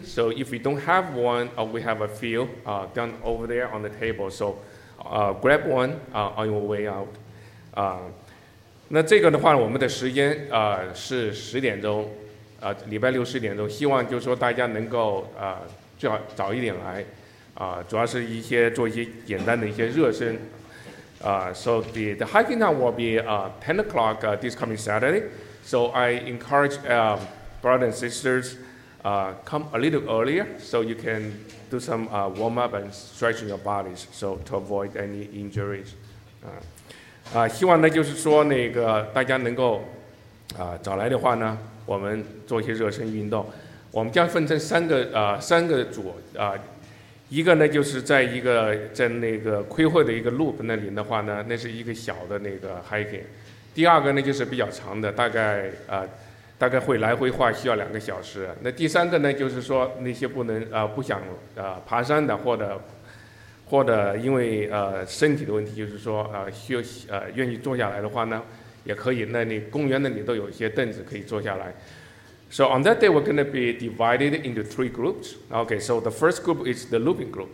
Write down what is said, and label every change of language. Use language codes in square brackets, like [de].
[en] So if we don't have one, we have a few down over there on the table. So grab one on your way out. [zh] 那这个的话，我们的时间是十点钟，礼拜六十点钟。希望就是说大家能够最好早一点来，主要是做一些简单的一些热身。 [en] So the hiking time will be 10 o'clock this coming Saturday. So I encourage brothers and sisters come a little earlier so you can do some warm up and stretching your bodies so to avoid any injuries. [zh] 希望呢就是说那个大家能够早来的话呢我们做一些热身运动。我们将分成三个组一个呢，就是在那个魁会的一个 loop 那里的话呢，那是一个小的那个 hiking。第二个呢，就是比较长的，大概会来回话需要两个小时。那第三个呢，就是说那些不能不想爬山的，或者因为身体的问题，就是说愿意坐下来的话呢，也可以。那你公园那里都有一些凳子可以坐下来。 [en] So on that day, we're going to be divided into three groups. Okay, so the first group is the looping group.